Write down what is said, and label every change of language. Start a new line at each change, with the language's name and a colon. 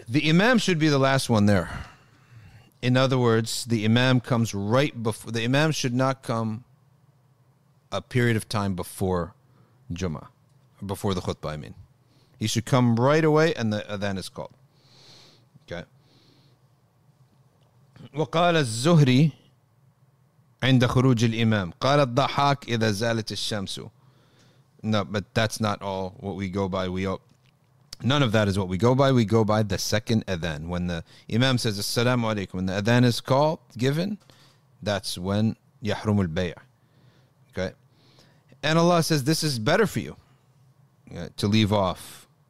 English: The imam should be the last one there. In other words, the imam comes right before. The imam should not come a period of time before Jummah, before the khutbah, I mean. He should come right away and the adhan is called. Okay.
Arabic: وقال الزهري عند خروج الإمام قال الضحاك إذا زالت الشمس.
English: No, but that's not all what we go by. None of that is what we go by. We go by the second adhan. When the imam says, "Assalamu alaikum," when the adhan is called, given, that's when
Arabic: yahrumul bay'ah.
English: Okay? And Allah says, this is better for you, yeah, to leave off.